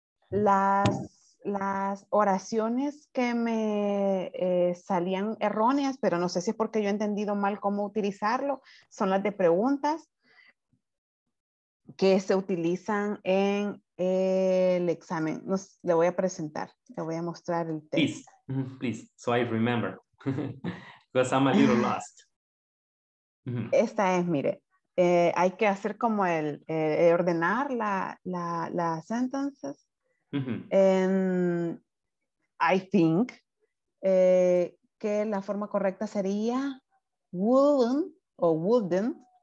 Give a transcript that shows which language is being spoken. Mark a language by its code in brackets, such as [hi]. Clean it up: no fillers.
[es] Las oraciones que me salían erróneas, pero no sé si es porque yo he entendido mal cómo utilizarlo, son las de preguntas que se utilizan en el examen. Le voy a presentar, le voy a mostrar el texto. [en] Please, please, so I remember, because I'm a little lost. [es] Esta es, mire. Hay que hacer como el ordenar la sentences. Mm-hmm. [en] I think [es] que la forma correcta sería wouldn't or wouldn't,